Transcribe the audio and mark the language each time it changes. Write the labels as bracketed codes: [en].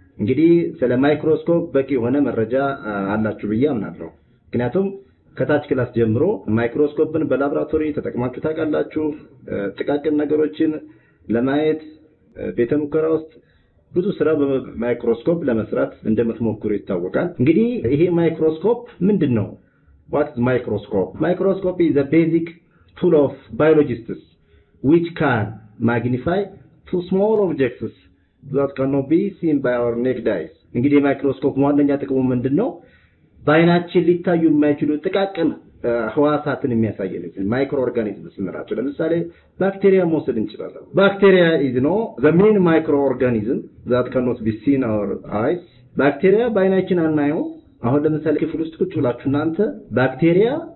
[am] እንግዲህ ስለ ማይክሮስኮፕ በቂ የሆነ መረጃ አላችሁ ብዬ አምናለሁ። ምክንያቱም ከታች ክላስ ጀምሮ ማይክሮስኮፕን በላብራቶሪ ተጠቅማችሁ ታውቃላችሁ። ጥቃቅን ነገሮችን ለማየት ቤተ ሙከራ ውስጥ ብዙ ስራ በማይክሮስኮፕ ለመስራት እንደምትሞክሩ ይታወቃል። እንግዲህ ይሄ ማይክሮስኮፕ ምንድነው? [en] What is microscope? Microscope is a basic tool of biologists which can magnify two small objects that cannot be seen by our naked eyes. [am] እንግዲህ ማይክሮስኮፕ ዋነኛ ጥቅሙ ምንድነው? ባይናችን ሊታዩ የማይችሉ ጥቃቅን ህዋሳትን የሚያሳየልን ማይክሮ ኦርጋኒዝምስ ማለት ነው። ለምሳሌ ባክቴሪያ መውሰድ እንችላለን። [en] ባክቴሪያ ኢዝ ኖ ዘ ሜን ማይክሮ ኦርጋኒዝም ዛት ካኖት ቢ ሲን አወር አይስ። [am] ባክቴሪያ ባይናችን አናየው። አሁን ለምሳሌ ክፍል ውስጥ ቁጭ ብላችሁ እናንተ ባክቴሪያ